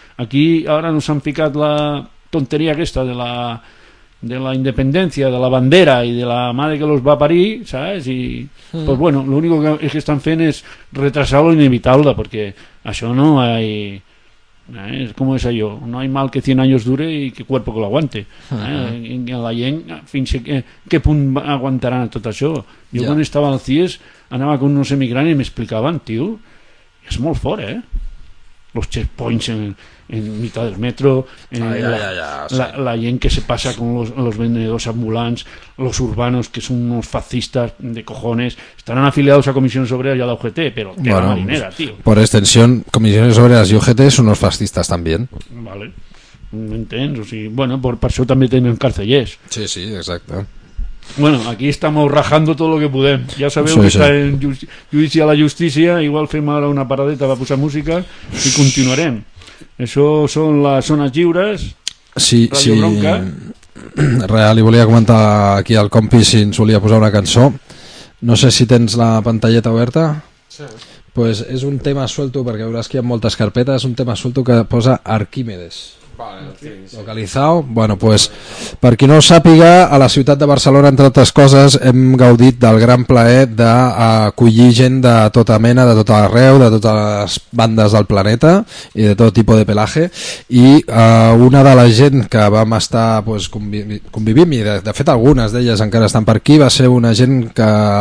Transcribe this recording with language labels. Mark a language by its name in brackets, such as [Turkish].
[Catalan] Aquí ara no s'han ficat la tonteria aquesta de la independència, de la bandera i de la mare que los va parir, ¿sabes? I, pues bueno, l'únic que estan fent és retrasar lo inevitable, perquè això [Spanish] no hay... ¿eh? ¿Cómo es ello? No hay mal que 100 años dure y que cuerpo que lo aguante. ¿Eh? [Catalan] La gent, fins a què punt aguantaran tot això? Jo quan estava al CIES anava [Spanish] con unos emigrants [Catalan] i m'explicaven, tio, és molt fort, ¿eh? [Spanish] Los checkpoints en mitad del metro, la gent que se pasa con los vendedores ambulants, los urbanos que son unos fascistas de cojones, estarán afiliados a Comisiones Obreras y a la UGT, pero que bueno, la marinera, tío. Por extensión, Comisiones Obreras y UGT son unos fascistas también. [Catalan] Vale, entens, o sigui, bueno, per això també tenen carcellers. Sí, sí, exacte. [Spanish] Bueno, aquí estamos rajando todo lo que [Catalan] podem. Ja sabeu sí, que està en judici a la justícia. Igual fem ara una paradeta per posar música i continuarem. Això són les zones lliures. Sí, Radio sí. Real, li volia comentar aquí al compi si ens volia posar una cançó. No sé si tens la pantalleta oberta. Sí. Pues és un tema suelto, perquè veuràs que hi ha moltes carpetes. Un tema suelto que posa Arquímedes. Vale, sí. Localitzat. Bueno, pues, per qui no ho sàpiga, a la ciutat de Barcelona, entre altres coses, hem gaudit del gran plaer d'acollir gent de tota mena, de tot arreu, de totes les bandes del planeta i de tot tipus de pelatge. I una de la gent que vam estar pues, convivint, i de fet algunes d'elles encara estan per aquí, va ser una gent que